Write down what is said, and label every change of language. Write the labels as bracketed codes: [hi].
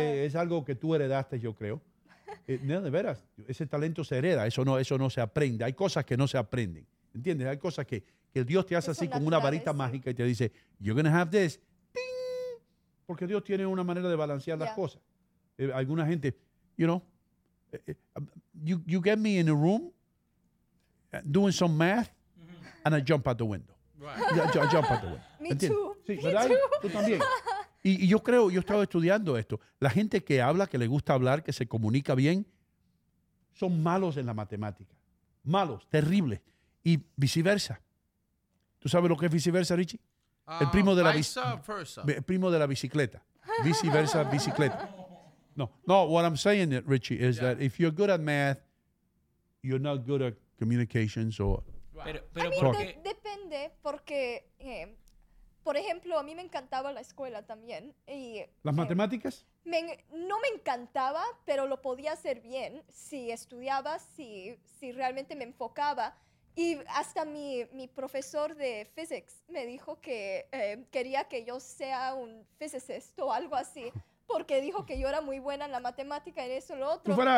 [es] Es algo que tú heredaste, yo creo. No, de veras, ese talento se hereda, eso no se aprende. Hay cosas que no se aprenden, ¿entiendes? Hay cosas que Dios te hace así con una varita mágica y te dice, [en] you're gonna have this, [es] ¡ting! Porque Dios tiene una manera de balancear las cosas. Alguna gente, [en] you know, you get me in a room doing some math and I jump out the window. Right. I jump out the window. [es] Me ¿entiendes? [en] Too. [es] Sí, me ¿verdad? [en] Too. [es] Tú también. Y yo creo, yo estaba estudiando esto. La gente que habla, que le gusta hablar, que se comunica bien, son malos en la matemática. Malos, terribles. Y viceversa. ¿Tú sabes lo que es viceversa, Richie? El primo de la bicicleta. El primo de la bicicleta. Viceversa, bicicleta. [en] No, no, what I'm saying, Richie, is that if you're good at math, you're not good at communications or... [es] Pero a mí depende porque... Por ejemplo, a mí me encantaba la escuela también. Y, ¿las matemáticas? No me encantaba, pero lo podía hacer bien si estudiaba, si realmente me enfocaba. Y hasta mi profesor de physics me dijo que quería que yo sea un physicist o algo así, porque dijo que yo era muy buena en la matemática, en eso, lo otro.